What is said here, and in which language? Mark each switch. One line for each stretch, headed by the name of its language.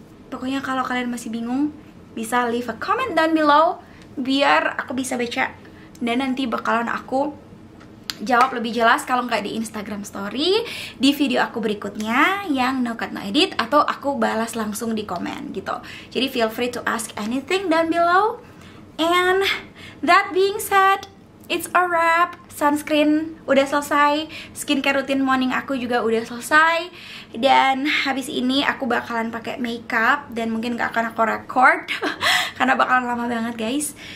Indonesian: Pokoknya kalau kalian masih bingung, bisa
English: leave a comment down below
Indonesian: biar aku bisa baca, dan nanti bakalan aku jawab lebih jelas kalau nggak di Instagram story, di video aku berikutnya yang
English: no cut no edit,
Indonesian: atau aku balas langsung di komen gitu.
English: Jadi feel free to ask anything down below. And that being said, it's a wrap.
Indonesian: Sunscreen udah selesai, skincare rutin morning aku juga udah selesai, dan habis ini aku bakalan pakai makeup dan mungkin nggak akan aku record karena bakalan lama banget guys.